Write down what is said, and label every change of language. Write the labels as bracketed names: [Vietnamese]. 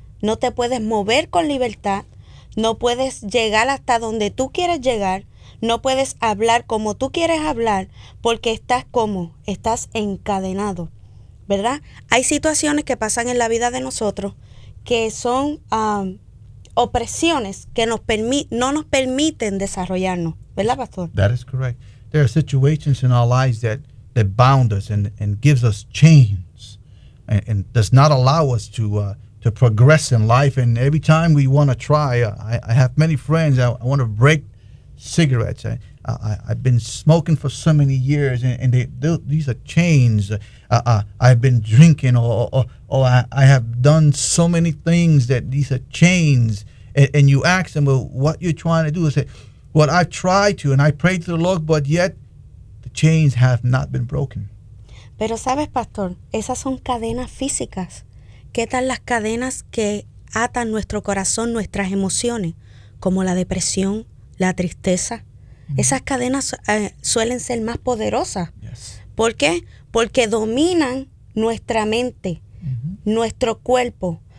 [Spanish] No te puedes mover con libertad, no puedes llegar hasta donde tú quieres llegar, no puedes hablar como tú quieres hablar, porque estás como, estás encadenado, ¿verdad? Hay situaciones que pasan en la vida de nosotros que son opresiones que no nos permiten desarrollarnos. ¿Verdad, pastor? [English] That is correct. There are situations in our lives that bound us and gives us chains and does not allow us to progress in life. And every time we want to try, I have many friends, I want to break cigarettes. I've been smoking for so many years, and these are chains. I've been drinking, or I have done so many things that these are chains. And you ask them, well, what you're trying to do is say, well, I've tried to, and I prayed to the Lord, but yet the chains have not been broken. [Spanish] Pero sabes, pastor, esas son cadenas físicas. ¿Qué tal las cadenas que atan nuestro corazón, nuestras emociones, como la depresión, la tristeza? Esas cadenas suelen ser más poderosas. [English] Yes. [Spanish] ¿Por qué? Porque dominan nuestra mente, nuestro cuerpo.